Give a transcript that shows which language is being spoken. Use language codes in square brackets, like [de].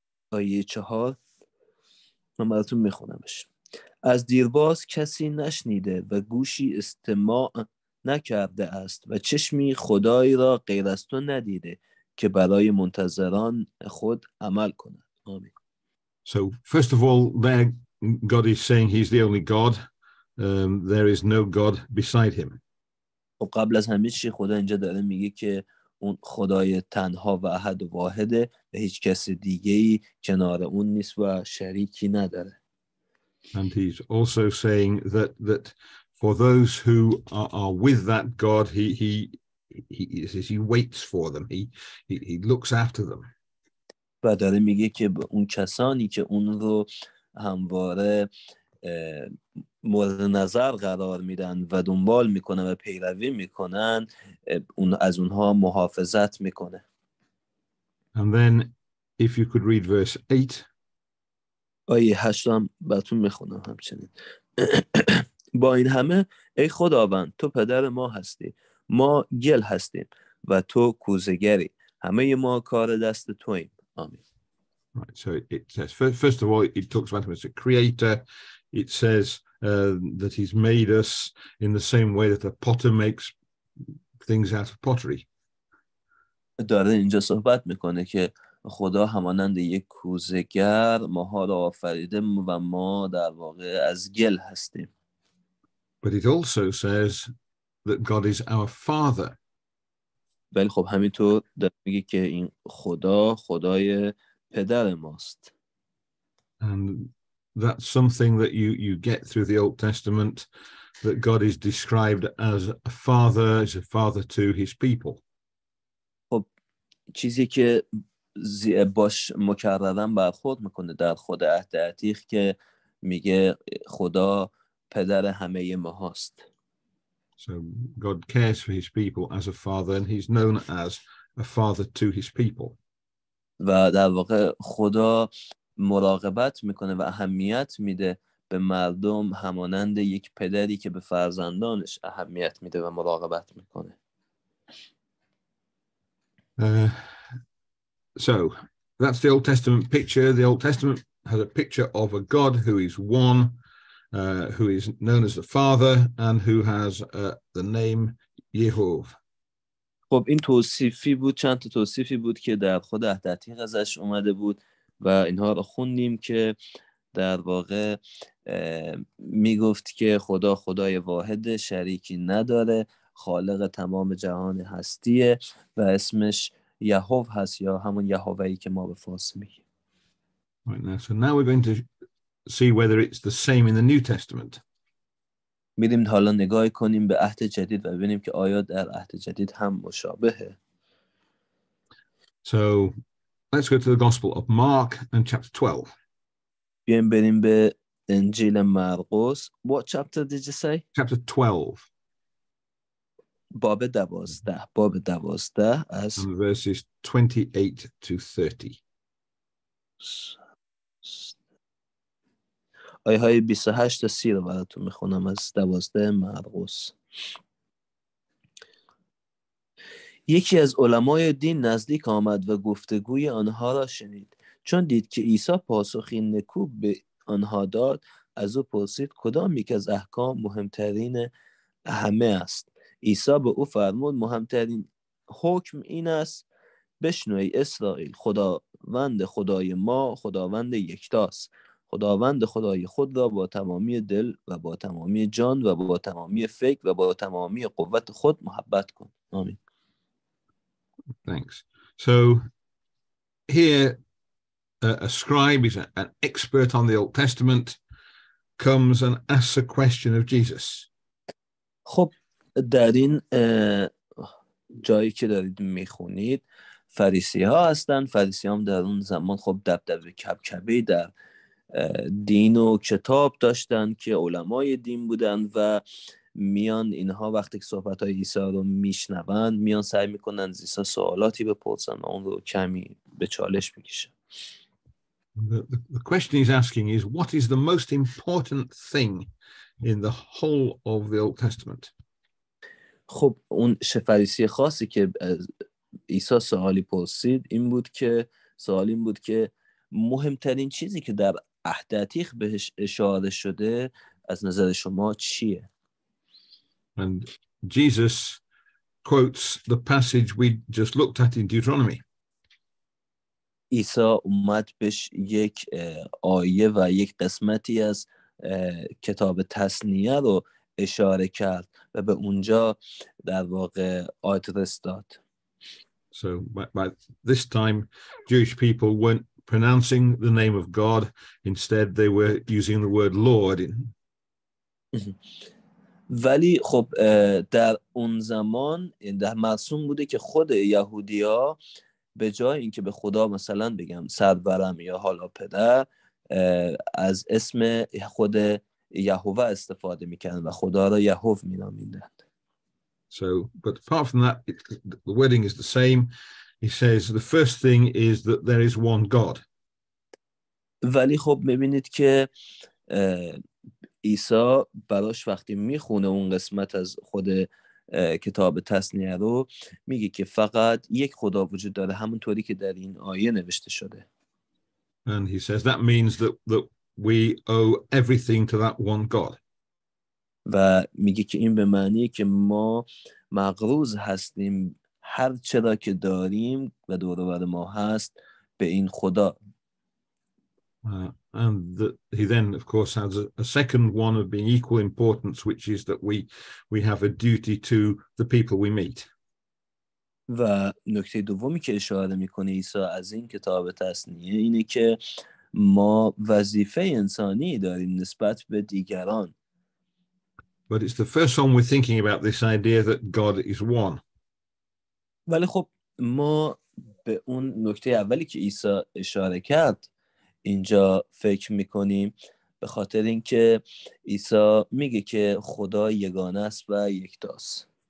[fa] آیه 4 من براتون می‌خونمش. از دیرباز کسی نشنیده و گوشی استماع نکرده است و چشمی خدای را غیر از تو ندیده که برای منتظران خود عمل کند. آمین. [en] So first of all, there God is saying he's the only God. There is no God beside him. [fa] و قبل از همه چی خدا اینجا داره میگه که اون خدای تنها و احد و واحده و هیچ کس دیگه‌ای کنار اون نیست و شریکی نداره. [en] And he's also saying that for those who are with that God, he waits for them. He looks after them. [fa] و داره میگه که اون کسانی که اون رو همواره مورد نظر قرار میدن و دنبال میکنن و پیروی میکنن، اون از اونها محافظت میکنه. [en] And then, if you could read verse 8. [fa] آیه 8 هم براتون میخونم همچنین. با این همه ای خداوند تو پدر ما هستی، ما گل هستیم و تو کوزه‌گری، همه ما کار دست توییم. آمین. [en] Right, so it says first of all it talks about him as a creator. It says that he's made us in the same way that a potter makes things out of pottery. [fa] داره اینجا صحبت میکنه که خدا همانند یک کوزه‌گر ماها را آفریده و ما در واقع از گل هستیم. [en] But it also says that God is our father. [fa] ولی خب همینطور داره میگه که این خدا خدای پدر ماست. [en] And that's something that you get through the Old Testament, that God is described as a father to his people. [fa] خب چیزی که زیباش مکررن برخورد میکنه در خود عهد عتیق که میگه خدا پدر همه ما هست. [en] So God cares for his people as a father and he's known as a father to his people. [fa] و در واقع خدا مراقبت میکنه و اهمیت میده به مردم همانند یک پدری که به فرزندانش اهمیت میده و مراقبت میکنه. [en] So that's the Old Testament picture. The Old Testament has a picture of a God who is one, who is known as the Father, and who has the name Yehov. [fa] خب این توصیفی بود، چند توصیفی بود که در خود عهد عتیق ازش اومده بود و اینها رو خوندیم که در واقع میگفت که خدا خدای واحد، شریکی نداره، خالق تمام جهان هستیه و اسمش یهوه هست یا همون یهوهی که ما به فارسی میگیم. [en] Right, now. So now we're going to see whether it's the same in the New Testament. [fa] میریم حالا نگاه کنیم به عهد جدید و ببینیم که آیا در عهد جدید هم مشابهه. [en] So let's go to the Gospel of Mark and chapter 12. [fa] بیایم بریم به انجیل مرقس. [en] What chapter did you say? Chapter 12. [fa] باب 12، باب 12 از [en] verses 28 to 30. [fa] آیه 28 تا 30 رو براتون میخونم از 12 مرقس. یکی از علمای دین نزدیک آمد و گفتگوی آنها را شنید. چون دید که عیسی پاسخی نکو به آنها داد، از او پرسید کدام یک از احکام مهمترین همه است. عیسی به او فرمود مهمترین حکم این است: بشنو ای اسرائیل، خداوند خدای ما خداوند یکتاست. خداوند خدای خود را با تمامی دل و با تمامی جان و با تمامی فکر و با تمامی قوت خود محبت کن. آمین. [en] Thanks. So here a scribe, he's an expert on the Old Testament, comes and asks a question of Jesus. [fa] خب در این جایی که دارید میخونید فریسی ها هستند. فریسی هم در اون زمان خب دبدبه کبکبه در دین و کتاب داشتن که علمای دین بودن و میان اینها وقتی که صحبت های عیسی رو میشنوند میان سعی میکنن از عیسی سوالاتی بپرسن و اون رو کمی به چالش میکشن. [en] The question he's asking is, what is the most important thing in the whole of the Old Testament? [fa] خب اون شفریسی خاصی که عیسی سوالی پرسید این بود که سوال این بود که مهمترین چیزی که در عهد عتیق بهش اشاره شده از نظر شما چیه؟ [en] And Jesus quotes the passage we just looked at in Deuteronomy. [fa] عیسی اومد بهش یک آیه و یک قسمتی از کتاب تثنیه رو اشاره کرد و به اونجا در واقع آدرس داد. [en] So by this time Jewish people weren't pronouncing the name of God, instead they were using the word Lord. [fa] ولی خب در اون زمان در مرسوم بوده که خود یهودی ها به جای اینکه به خدا مثلا بگم سرورم یا حالا پدر، از اسم خود یهوه استفاده میکنن و خدا را یهوه مینامیدند. [en] So but apart from that the wording is the same. He says the first thing is that there is one God. [fa] ولی خب میبینید که عیسی براش وقتی میخونه اون قسمت از خود کتاب تثنیه رو میگه که فقط یک خدا وجود داره، همونطوری که در این آیه نوشته شده. [en] And he says that means that we owe everything to that one God. [fa] و میگه که این به معنی که ما مقروض هستیم هر چرا که داریم و دور و بر ما هست به این خدا. [en] And he then of course has a second one of being equal importance, which is that we have a duty to the people we meet. [fa] و نکته دومی که اشاره میکنه عیسی از این کتاب تثنیه اینه که ما وظیفه انسانی داریم نسبت به دیگران. [en] But it's the first time we're thinking about this idea that God is one. [fa] ولی خب ما به اون نکته اولی که عیسی اشاره کرد اینجا فکر میکنیم، به خاطر اینکه عیسی میگه که خدا یگانه است و یکتاست.